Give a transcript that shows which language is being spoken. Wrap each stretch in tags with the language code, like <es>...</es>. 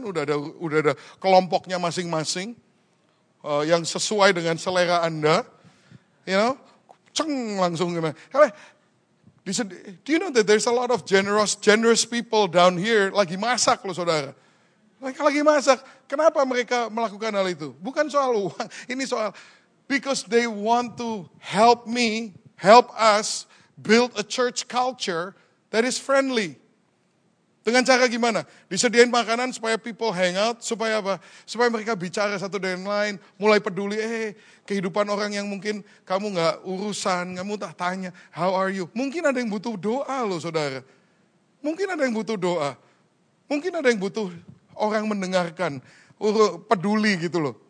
<id>Udah ada kelompoknya masing-masing yang sesuai dengan selera Anda. You know, ceng langsung gimana.</id> <en>Do you know that there's a lot of generous people down here lagi masak loh saudara.</en> <id>Mereka lagi masak. Kenapa mereka melakukan hal itu? Bukan soal uang.</id> <en>Ini soal, because they want to help me, help us build a church culture that is friendly.</en> <id>Dengan cara gimana? Disediain makanan supaya people hang out, supaya apa? Supaya mereka bicara satu dengan lain, mulai peduli, kehidupan orang yang mungkin kamu gak urusan, kamu tak tanya, how are you? Mungkin ada yang butuh doa loh saudara. Mungkin ada yang butuh doa. Mungkin ada yang butuh orang mendengarkan, peduli gitu loh.</id>